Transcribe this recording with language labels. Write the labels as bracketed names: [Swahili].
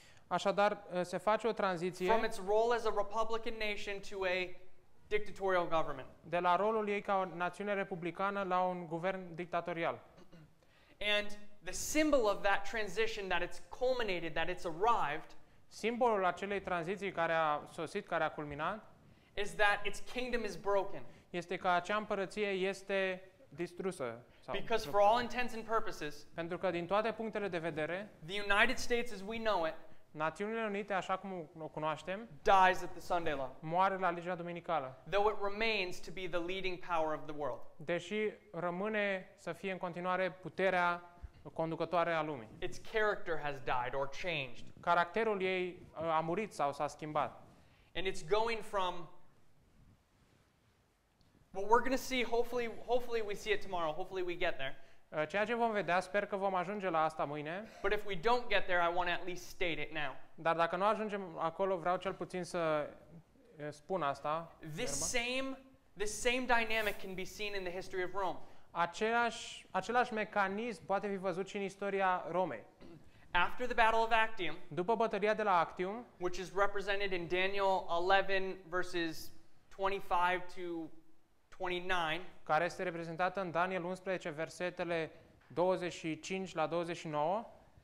[Romanian] Așadar, se face o tranziție [English] from its role as a republican nation to a dictatorial government. [Romanian] De la rolul ei ca o națiune republicană la un guvern dictatorial. [English] And the symbol of that transition, that it's culminated, that it's arrived, [Romanian] simbolul acelei tranziții care a sosit, care a culminat, [English] is that its kingdom is broken. [Romanian] Este că acea împărăție este distrusă. [English] Because for all intents and purposes, [Romanian] pentru că din toate punctele de vedere, [English] the United States as we know it, [Romanian] Națiunile Unite, așa cum o cunoaștem, [English] dies at the Sunday law. [Romanian] Moare la legea duminicală. [English] Though it remains to be the leading power of the world. [Romanian] Deși rămâne să fie în continuare puterea conducătoare a lumii. [English] Its character has died or changed. [Romanian] Caracterul ei a murit sau s-a schimbat. [English] And it's going from what we're going to see, hopefully we see it tomorrow. Hopefully we get there. [Romanian] Ceea ce vom vedea, sper că vom ajunge la asta mâine. [English] But if we don't get there, I want to at least state it now. [Romanian] Dar dacă nu ajungem acolo, vreau cel puțin să spun asta. [English] This same dynamic can be seen in the history of Rome. [Romanian] Același mecanism poate fi văzut și în istoria Romei. [English] After the Battle of Actium, [Romanian] după bătălia de la Actium, [English] which is represented in Daniel 11 verses 25 to 29, [Romanian] care este reprezentată în Daniel 11 versetele 25 la 29.